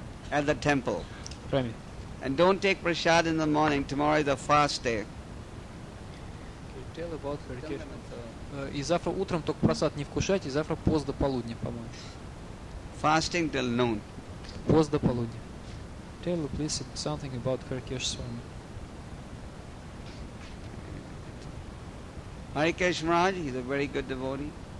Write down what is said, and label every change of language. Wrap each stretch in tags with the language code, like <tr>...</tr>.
<en>At the temple. And don't take prasad in the morning. Tomorrow is a fast day. Tell about meditation.</en> <ru>И завтра утром только просад не вкушать, и завтра пост до полудня, по-моему.</ru> <en>Fasting till noon.</en> <ru>Пост до полудня.</ru> <en>Tell me, please, something about Harikesh Swami. Harikesh Maharaj, he's a very good devotee.</en>